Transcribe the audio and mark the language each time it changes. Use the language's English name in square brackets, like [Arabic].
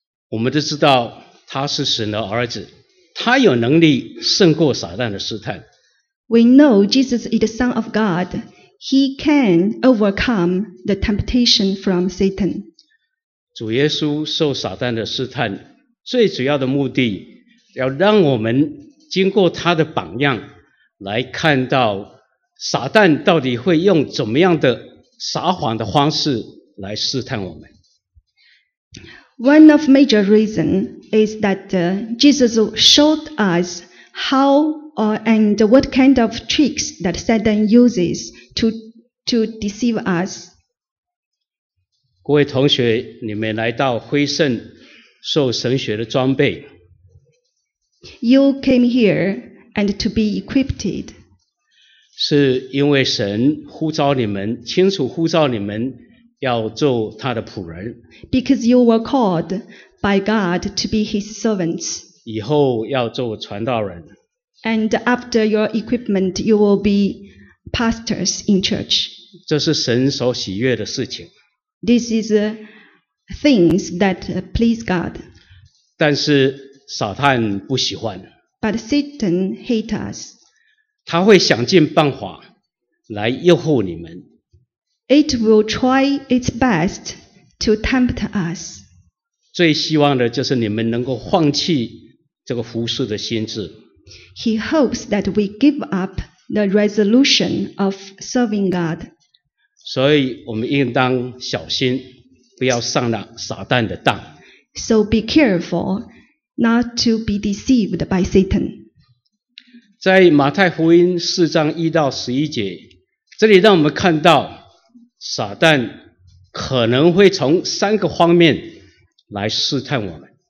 [Chinese] 我们都知道他是神的儿子，他有能力胜过撒旦的试探。 [English] We know Jesus is the Son of God. He can overcome the temptation from Satan. [Chinese] 主耶稣受撒旦的试探，最主要的目的，要让我们经过他的榜样，来看到撒旦到底会用怎么样的撒谎的方式来试探我们。 [English] One of major reasons is that Jesus showed us how and what kind of tricks that Satan uses to deceive us. [Chinese] 各位同学，你们来到辉圣受神学的装备。 [English] You came here and to be equipped. [Chinese] 是因为神呼召你们，清楚呼召你们要做他的仆人。 [English] Because you were called by God to be his servants. [Chinese] 以后要做传道人。 [English] And after your equipment, you will be pastors in church. [Chinese] 这是神所喜悦的事情。 [English] This is things that please God. [Chinese] 但是撒旦不喜欢。 [English] But Satan hates us. [Chinese] 他会想尽办法来诱惑你们。 [English] It will try its best to tempt us. [Chinese] 最希望的就是你们能够放弃这个服事的心志。 [English] He hopes that we give up the resolution of serving God. [Chinese] 所以我们应当小心，不要上了撒旦的当。 [English] So be careful not to be deceived by Satan. [Chinese] 在马太福音四章一到十一节，这里让我们看到撒旦可能会从三个方面来试探我们。